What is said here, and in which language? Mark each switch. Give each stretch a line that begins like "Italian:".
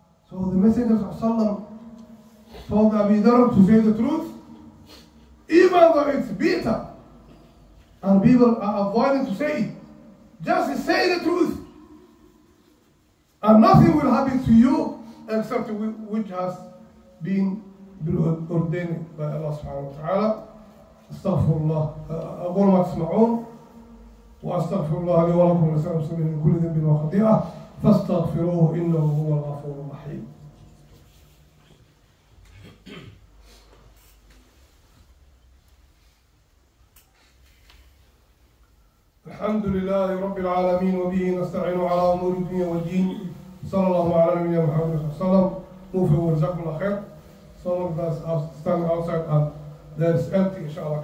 English: So the Messenger of Allah told Abi Dharr to say the truth, even though it's bitter, and people are avoiding to say it. Just say the truth, and nothing will happen to you except which has been ordained by Allah subhanahu wa ta'ala.
Arabic: أستغفر الله أقول ما تسمعون وأستغفر الله لي ولكم ولسائر المسلمين من كل ذنب وخطيئة فاستغفروه إنه هو الغفور الرحيم. الحمد لله رب العالمين وبه نستعين على أمور الدنيا والدين. صلى الله على نبينا محمد صلى الله عليه وسلم. موفي ورزاق الله خير.
English: Some of us are standing outside and there's empty, inshallah.